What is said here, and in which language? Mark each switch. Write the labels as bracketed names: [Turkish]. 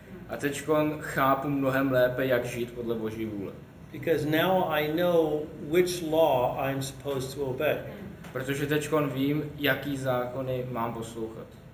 [Czech] A teďkon chápu mnohem lépe, jak žít podle Boží vůle. [English] Because now I know which law I'm supposed to obey. [Czech] Protože teďkon vím, jaký zákony mám poslouchat.